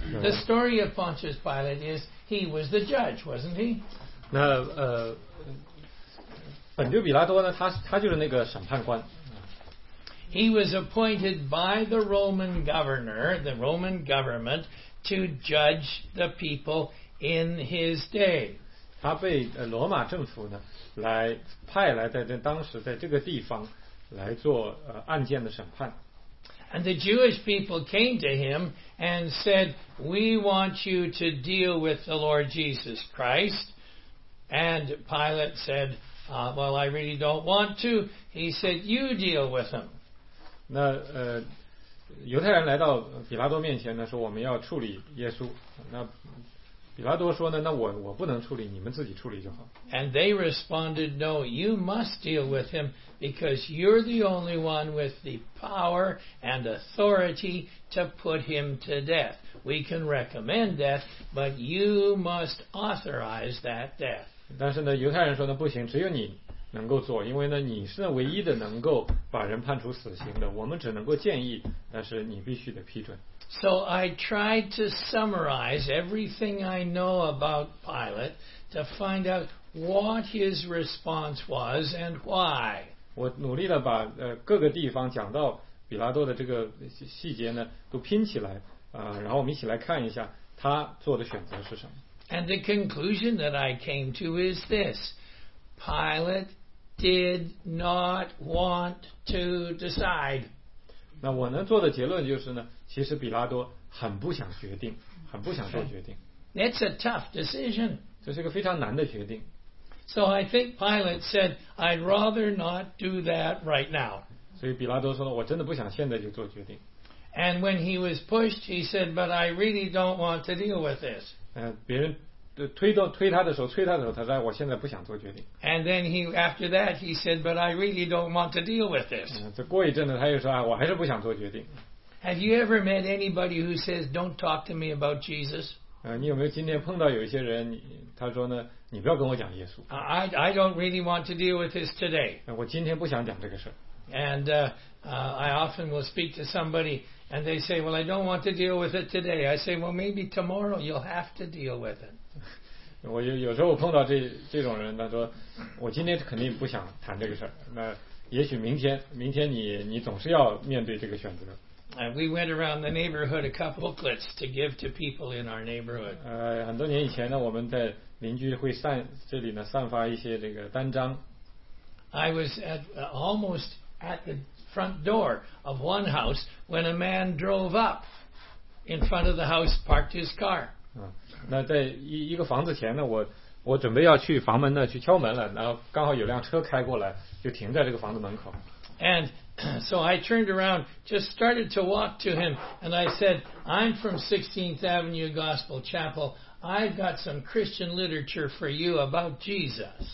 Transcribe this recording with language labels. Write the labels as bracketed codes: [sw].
[en] The story of Pontius Pilate is he was the judge, wasn't he? [zh] 那本丢比拉多呢他就是那个审判官。 [en] He was appointed by the Roman governor, the Roman government, to judge the people in his day. [zh] 他被罗马政府呢来派来在当时在这个地方来做案件的审判。 [en] And the Jewish people came to him and said, We want you to deal with the Lord Jesus Christ. And Pilate said, Well, I really don't want to. He said, You deal with him. [zh] 那犹太人来到比拉多面前呢，说我们要处理耶稣。那比拉多说呢，那我不能处理，你们自己处理就好。 [en] And they responded, No, you must deal with him. Because you're the only one with the power and authority to put him to death. We can recommend death, but you must authorize that death. [zh] 但是呢，犹太人说呢，不行，只有你能够做，因为呢，你是唯一的能够把人判处死刑的。我们只能够建议，但是你必须得批准。 [en] So I tried to summarize everything I know about Pilate to find out what his response was and why. [zh] 我努力地把各个地方讲到比拉多的这个细节呢都拼起来然后我们一起来看一下他做的选择是什么 [en] And the conclusion that I came to is this Pilate did not want to decide [zh] 那我能做的结论就是呢，其实比拉多很不想决定，很不想做决定。 [en] It's a tough decision. [zh] 这是一个非常难的决定。 [en] So I think Pilate said, I'd rather not do that right now. [zh] 所以比拉多说了，我真的不想现在就做决定。 [en] And when he was pushed, he said, but I really don't want to deal with this. [zh] 别人推他的时候他说我现在不想做决定。 [en] And then he, after that, he said, but I really don't want to deal with this. [zh] 这过一阵子他又说，我还是不想做决定。 [en] Have you ever met anybody who says, don't talk to me about Jesus? [zh] 你有没有今天碰到有一些人，他说呢，你不要跟我讲耶稣。 [en] I don't really want to deal with this today. [zh] 我今天不想讲这个事。 [en] And I often will speak to somebody and they say, well, I don't want to deal with it today. I say, well, maybe tomorrow you'll have to deal with it. [zh] 我有时候碰到这种人，他说我今天肯定不想谈这个事，那也许明天你总是要面对这个选择。 [en] We went around the neighborhood a couple booklets to give to people in our neighborhood. [zh] 很多年以前呢，我们在邻居会散这里呢散发一些这个单张。 [en] I was almost at the front door of one house when a man drove up in front of the house, parked his car. [zh] 那在一个房子前呢，我准备要去房门那去敲门了，然后刚好有辆车开过来，就停在这个房子门口。 [en] And so I turned around, just started to walk to him, and I said, I'm from 16th Avenue Gospel Chapel. I've got some Christian literature for you about Jesus.